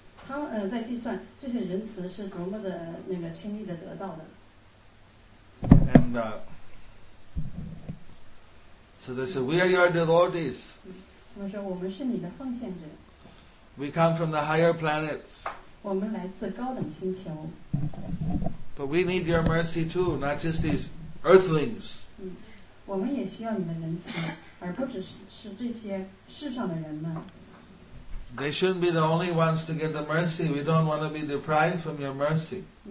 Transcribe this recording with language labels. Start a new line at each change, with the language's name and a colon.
Chinese: 他在计算这些仁慈是多么的那个轻易的得到的。
English: And so they said, "We are your devotees."
Chinese: 他们说我们是你的奉献者。
English: We come from the higher planets.
Chinese: 我们来自高等星球。
English: But we need your mercy too, not just these earthlings.
Chinese: 我们也需要你的仁慈，而不只是这些世上的人们。
English: They shouldn't be the only ones to get the mercy. We don't want to be deprived from your mercy.